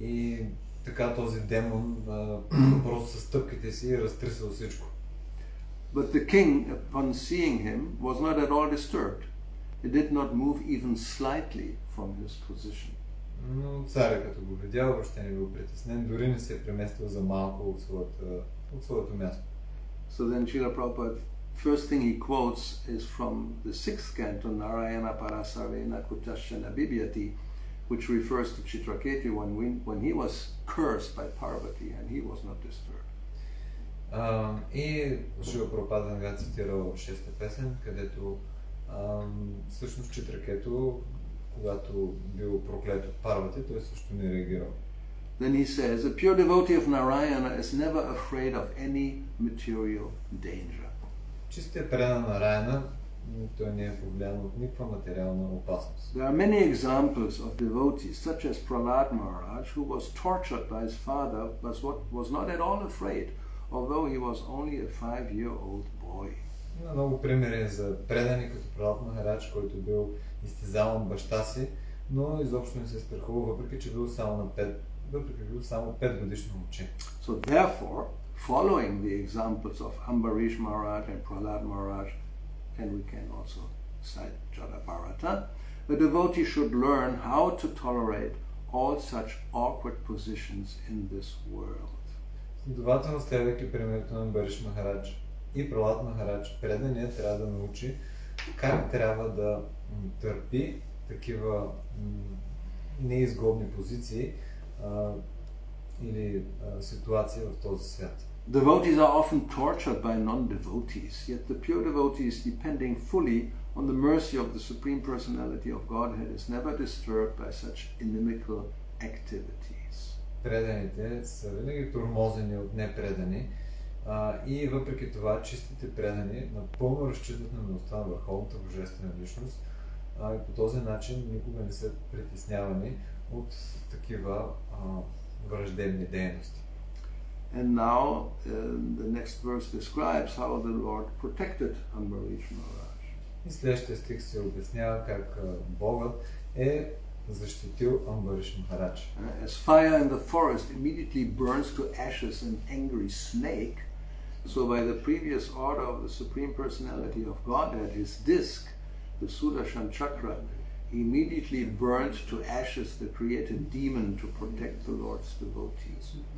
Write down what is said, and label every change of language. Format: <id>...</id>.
<bg>И така този демон просто със стъпките си разтрисал всичко.</bg> <en>But the king, upon seeing him, was not at all disturbed. He did not move even slightly from his position.</en> <bg>Но царя като го видял, въобще не бил притеснен, дори не се е преместил за малко от своето място.</bg> <en>So then Srila Prabhupada, first thing he quotes is from the sixth canto,</en> <sa>Narayana Parasarena Kutashana Bibhyati,</sa> <en>which refers to Chitraketi when he was cursed by Parvati and he was not disturbed.</en> <bg>И Шива Пропада нега цитира в шеста песен, където всъщност Читракето, когато бил проклет от Парвати, той също не реагирал.</bg> <en>Then he says, a pure devotee of Narayana is never afraid of any material danger.</en> <bg>Чистият предан на Нараяна, той не е повлиян от никаква материална опасност.</bg> <en>There are many examples of devotees, such as Prahlad Maharaj, who was tortured by his father, but was not at all afraid. Although he was only a 5-year-old boy.</en> <bg>Има много примери за предани като Прахлад Махарадж, който бил изтезаван баща си, но изобщо не се страхува, въпреки че бил само на 5 годишно момче.</bg> <en>So therefore, following the examples of Ambarish Maharaj and Prahlad Maharaj, and we can also cite Jada Bharata, the devotee should learn how to tolerate all such awkward positions in this world.</en> <bg>Следователно, следвайки примерите на Амбариш Махарадж и Прахлад Махарадж, преданият трябва да научи как трябва да търпи такива неизгодни позиции или ситуации в този свят.</bg> <en>Devotees are often tortured by non-devotees, yet the pure devotee is depending fully on the mercy of the Supreme Personality of Godhead, is never disturbed by such inimical activity.</en> <bg>Преданите са винаги тормозени от непредани и въпреки това чистите предани напълно разчитат на милостта на Върховната Божествена Личност и по този начин никога не са притеснявани от такива враждебни дейности.</bg> <en>And now the next verse describes how the Lord protected Ambarish Maharaj.</en> <bg>И следващия стих се обяснява как Богът е защитил Амбариш Махарадж.</bg> <en>As fire in the forest immediately burns to ashes an angry snake, so by the previous order of the Supreme Personality of Godhead, his disc, the Sudarshan Chakra, immediately burned to ashes the created demon to protect the Lord's devotees.</en>